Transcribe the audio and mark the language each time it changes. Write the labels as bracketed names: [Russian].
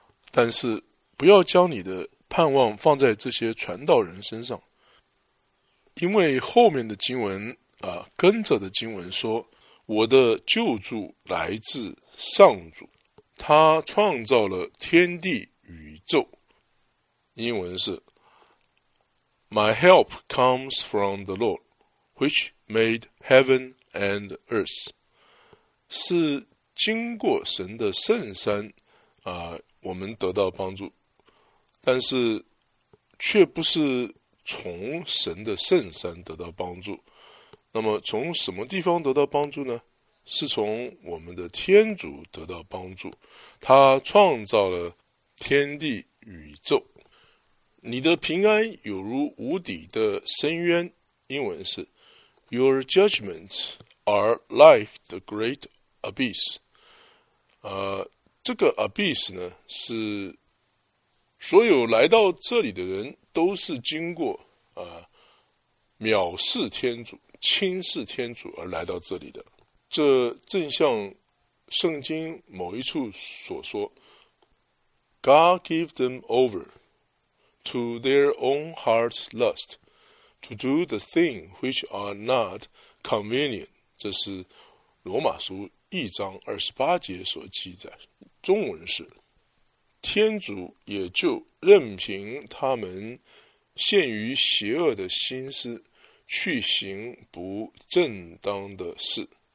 [Chinese] 但是不要将你的盼望放在这些传道人身上，因为后面的经文跟着的经文说，我的救助来自上主，他创造了天地宇宙。英文是 [English] My help comes from the Lord, which made heaven and earth. [Chinese] 是经过神的圣山我们得到帮助，但是却不是从神的圣山得到帮助。那么从什么地方得到帮助呢？是从我们的天主得到帮助，他创造了天地宇宙。你的平安有如无底的深渊，英文是 [English] Your judgments are like the great abyss. [Chinese] 这个 abyss 呢，是所有来到这里的人都是经过藐视天主、轻视天主而来到这里的。这正像圣经某一处所说， [English] God gave them over to their own heart's lust to do the thing which are not convenient [Chinese] 这是罗马书一章二十八节所记载，中文是：天主也就任凭他们陷于邪恶的心思，去行不正当的事。